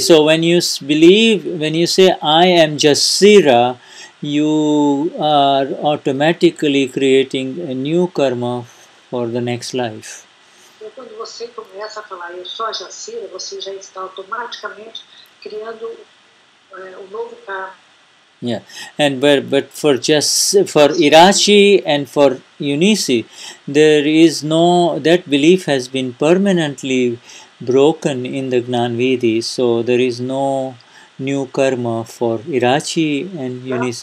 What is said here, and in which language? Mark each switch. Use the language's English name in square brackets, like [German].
[English] So when you say I am Jasira, you are automatically creating a new karma for the next life. [Portuguese] Então, quando você começa a falar eu sou a Jasira, você já está automaticamente criando um novo karma. [English] Yeah, and but for Irachi and for Eunice, there is no, that belief has been permanently broken in the Gnanvidhi, so there is no new karma for Irachi and Eunice.